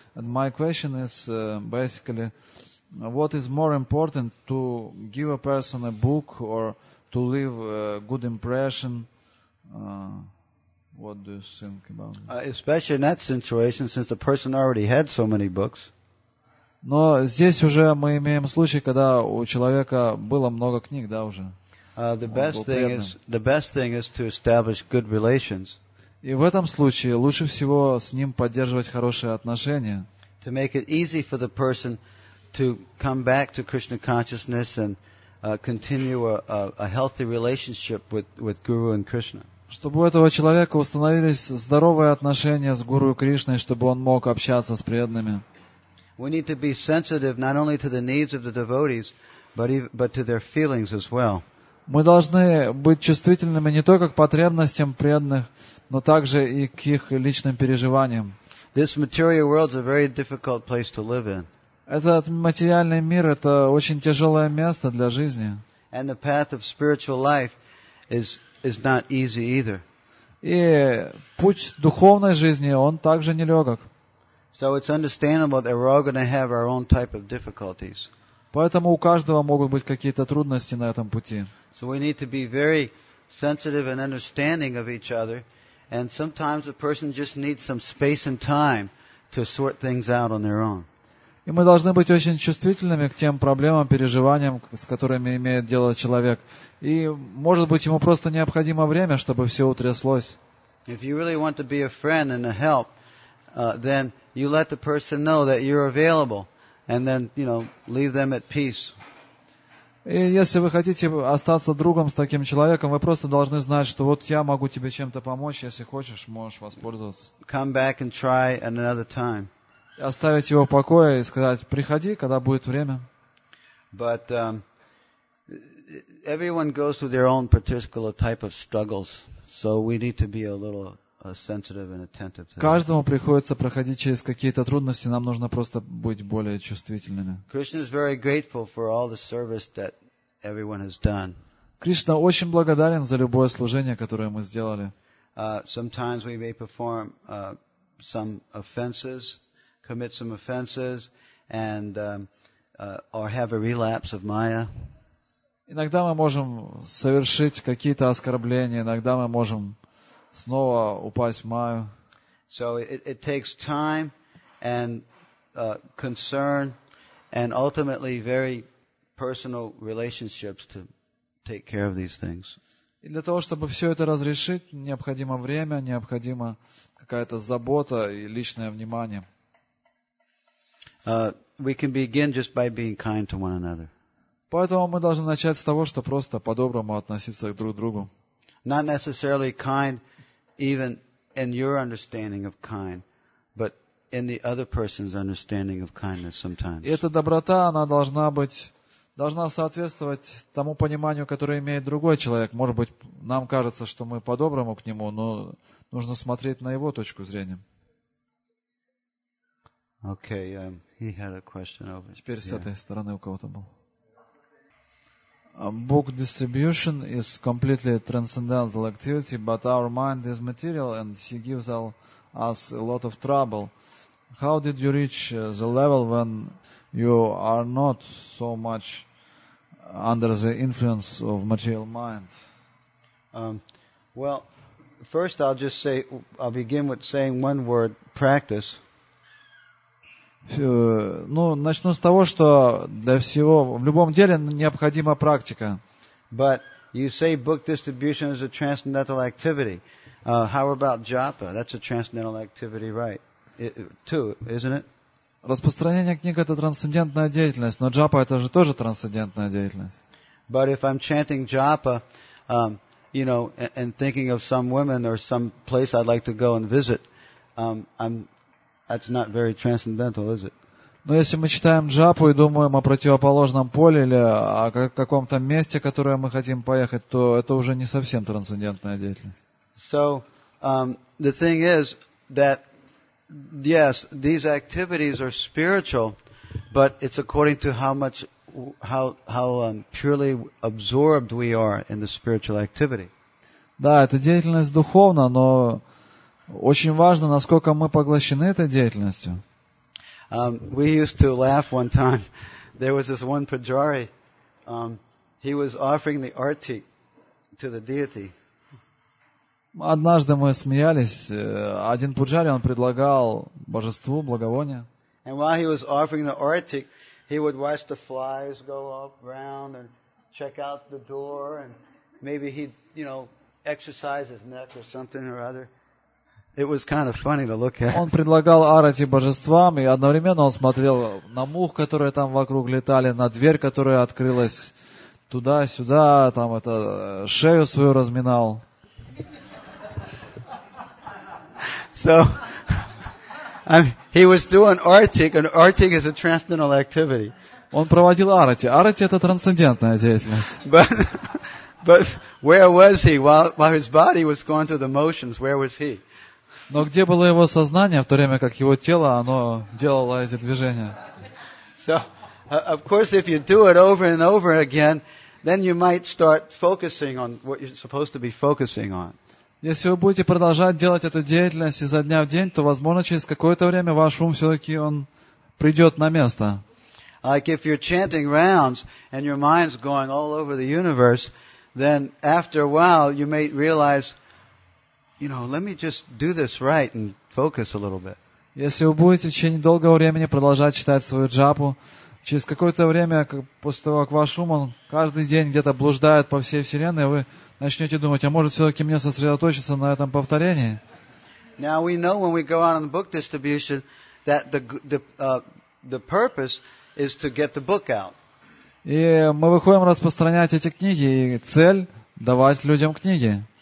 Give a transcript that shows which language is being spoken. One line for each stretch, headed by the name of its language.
English: And my question is basically, what is more important, to give a person a book or to leave a good impression? What do you think about that? Especially in that situation, since the person already had so many books.
Russian: Но здесь уже мы имеем случай, когда у человека было много книг, да, уже.
English: The best thing is to establish good relations.
Russian: И в этом случае лучше всего с ним поддерживать хорошие отношения.
English: To make it easy for the person to come back to Krishna consciousness and continue a healthy relationship with Guru and Krishna.
Russian: Чтобы у этого человека установились здоровые отношения с Гуру и Кришной, чтобы он мог общаться с преданными.
English: We need to be sensitive not only to the needs of the devotees, but to their feelings as well.
Russian: Мы должны быть чувствительными не только к потребностям преданных, но также и к их личным переживаниям.
English: This material world is a very difficult place to live in.
Russian: Этот материальный мир – это очень тяжелое место для жизни.
English: And the path of spiritual life is not easy either.
Russian: И путь духовной жизни, он также нелегок.
English: So it's understandable that we're all going to have our own type of difficulties.
Russian: Поэтому у каждого могут быть какие-то трудности на этом пути.
English: So we need to be very sensitive and understanding of each other. And sometimes a person just needs some space and time to sort things out on their own.
Russian: И мы должны быть очень чувствительными к тем проблемам, переживаниям, с которыми имеет дело человек. И, может быть, ему просто необходимо время, чтобы все утряслось.
English: If you really want to be a friend and a help, then you let the person know that you're available. And then, you know, leave them at peace.
Russian: И если вы хотите остаться другом с таким человеком, вы просто должны знать, что вот я могу тебе чем-то помочь, если хочешь, можешь воспользоваться.
English: Come back and try another time.
Russian: Оставить его в покое и сказать, приходи, когда будет время.
English: But everyone goes through their own particular type of struggles, so we need to be a little sensitive and attentive to that.
Russian: Каждому приходится проходить через какие-то трудности, нам нужно просто быть более чувствительными.
English: Krishna is very grateful for all the service that everyone has done.
Russian: Кришна очень благодарен за любое служение, которое мы сделали.
English: Sometimes we may perform some offenses, commit some offenses, and or have a relapse of Maya.
Russian: Иногда мы можем совершить какие-то оскорбления, иногда мы можем снова упасть в Майю.
English: So it takes time and concern and ultimately very personal relationships to take care of these things.
Russian: И для того, чтобы все это разрешить, необходимо время, необходима какая-то забота и личное внимание.
English: We can begin just by being kind to one another.
Russian: Поэтому мы должны начать с того, что просто по-доброму относиться друг к другу.
English: Not necessarily kind even in your understanding of kind, but in the other person's understanding of kindness sometimes.
Russian: Эта доброта, она должна соответствовать тому пониманию, которое имеет другой человек. Может быть, нам кажется, что мы по-доброму к нему, но нужно смотреть на его точку зрения.
English: Okay, he had a question over.
Russian: Теперь с этой стороны у кого-то был.
English: Book distribution is completely transcendental activity, but our mind is material and he gives us a lot of trouble. How did you reach the level when you are not so much under the influence of material mind? Well, first I'll begin with saying one word, practice.
Russian: Ну, начну с того, что для всего, в любом деле необходима практика.
English: But you say book distribution is a transcendental activity. How about japa? That's a transcendental activity, right? Too, isn't it?
Russian: Распространение книг – это трансцендентная деятельность, но джапа – это же тоже трансцендентная деятельность.
English: But if I'm chanting japa, you know, and thinking of some women or some place I'd like to go and visit, I'm That's not very transcendental, is it?
Russian: Но если мы читаем джапу и думаем о противоположном поле или о каком-то месте, которое мы хотим поехать, то это уже не совсем трансцендентная деятельность.
English: So, the thing is that, yes, these activities are spiritual, but it's according to how purely absorbed we are in the spiritual activity.
Russian: Да, эта деятельность духовна, но очень важно, насколько мы поглощены этой деятельностью.
English: We used to laugh one time. There was this one pujari. He was offering the arti to the deity.
Russian: Однажды мы смеялись. Один пуджари, он предлагал божеству благовоние.
English: And while he was offering the arti, he would watch the flies go up around and check out the door, and maybe he'd, you know, exercise his neck or something or other. It was kind of funny to look at.
Russian: Он предлагал арати божествам, и одновременно он смотрел на мух, которые там вокруг летали, на дверь, которая открылась туда-сюда, там это шею свою разминал.
English: So, he was doing arati, and arati is a transcendental activity.
Russian: Он проводил арати. Арати — это трансцендентная деятельность.
English: But where was he while his body was going through the motions? Where was he?
Russian: Но где было его сознание в то время, как его тело, оно делало эти движения?
English: So, of course, if you do it over and over again, then you might start focusing on what you're supposed to be focusing on.
Russian: Если вы будете продолжать делать эту деятельность изо дня в день, то, возможно, через какое-то время ваш ум все-таки он придет на место.
English: Like if you're chanting rounds and your mind's going all over the universe, then after a while you may realize, you know, let me just do this right and focus a little bit.
Russian: Если вы будете в течение долгого времени продолжать читать свою джапу, через какое-то время, после того, как ваш ум, он каждый день где-то блуждает по всей вселенной, вы начнете думать, а может все-таки мне сосредоточиться на этом повторении?
English: Now we know when we go out on the book distribution that the purpose is to get the book out.
Russian: И мы выходим распространять эти книги, и цель – давать людям книги.